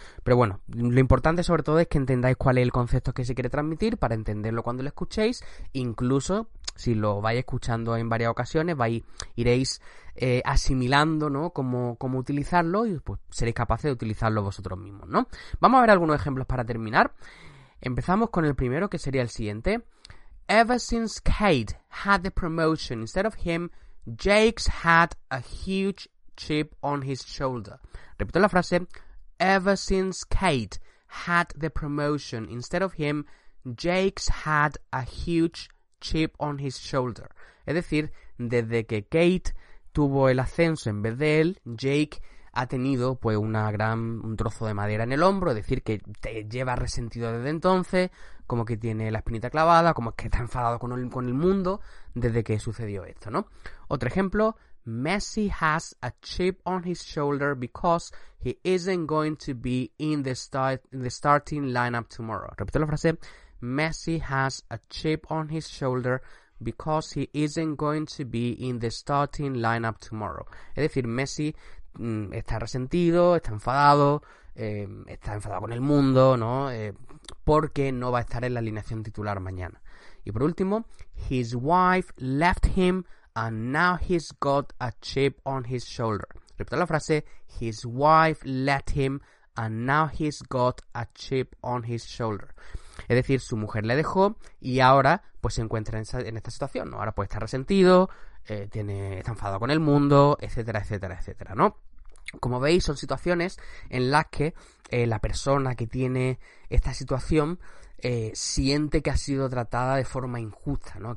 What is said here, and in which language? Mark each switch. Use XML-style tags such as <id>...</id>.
<es>Pero bueno, lo importante sobre todo es que entendáis cuál es el concepto que se quiere transmitir para entenderlo cuando lo escuchéis, incluso si lo vais escuchando en varias ocasiones, iréis asimilando, ¿no?, cómo utilizarlo y pues seréis capaces de utilizarlo vosotros mismos, ¿no? Vamos a ver algunos ejemplos para terminar. Empezamos con el primero, que sería el siguiente.</es> <en>Ever since Kate had the promotion instead of him, Jake's had a huge chip on his shoulder.</en> <es>Repito la frase.</es> <en>Ever since Kate had the promotion instead of him, Jake's had a huge chip on his shoulder.</en> <es>Es decir, desde que Kate tuvo el ascenso en vez de él, Jake ha tenido pues un trozo de madera en el hombro, es decir, que te lleva resentido desde entonces, como que tiene la espinita clavada, como que está enfadado con el mundo desde que sucedió esto, ¿no? Otro ejemplo,</es> <en>Messi has a chip on his shoulder because he isn't going to be in the starting lineup tomorrow.</en> <es>Repito la frase.</es> <en>Messi has a chip on his shoulder because he isn't going to be in the starting lineup tomorrow.</en> <es>Es decir, Messi está resentido, está enfadado con el mundo, ¿no? Porque no va a estar en la alineación titular mañana. Y por último,</es> <en>his wife left him and now he's got a chip on his shoulder.</en> <es>Repito la frase,</es> <en>his wife left him and now he's got a chip on his shoulder.</en> <es>Es decir, su mujer le dejó y ahora pues se encuentra en esta situación, ¿no? Ahora pues está resentido, está enfadado con el mundo, etcétera, etcétera, etcétera, ¿no? Como veis, son situaciones en las que la persona que tiene esta situación siente que ha sido tratada de forma injusta, ¿no?</es>